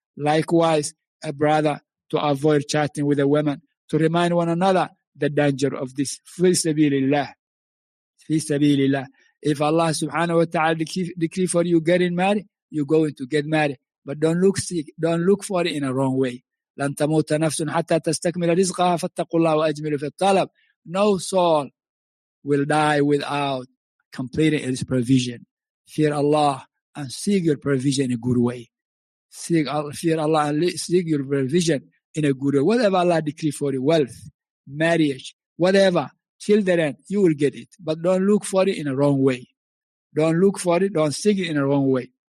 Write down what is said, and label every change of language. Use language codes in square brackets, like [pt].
[en] Likewise, a brother, to avoid chatting with a woman, to remind one another the danger of this. Fi sabilillah. Fi sabilillah. If Allah subhanahu wa ta'ala decree for you getting married, you're going to get married. But don't look sick. Don't look for it in a wrong way. [ar] لَن تَمُوتَ نَفْسٌ حَتَّى تَسْتَكْمِلَ رِزْقَهَا فَاتَّقُوا اللَّهَ وَأَجْمِلُوا فِي الطَّلَبِ [en] No soul will die without completing its provision. Fear Allah and seek your provision in a good way. Fear Allah and seek your provision in a good way. Whatever Allah decree for you, wealth, marriage, whatever, children, you will get it. But don't look for it in a wrong way. Don't look for it, don't seek it in a wrong way.